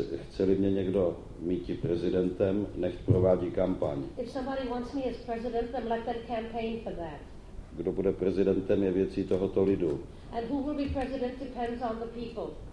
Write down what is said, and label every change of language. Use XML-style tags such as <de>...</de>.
<cs>Chce-li mě někdo mít prezidentem, nechť provádí kampaň.</cs> <en>If somebody wants me as president, then let them campaign for that.</en> <cs>Kdo bude prezidentem, je věcí tohoto lidu.</cs> <en>And who will be president depends on the people.</en>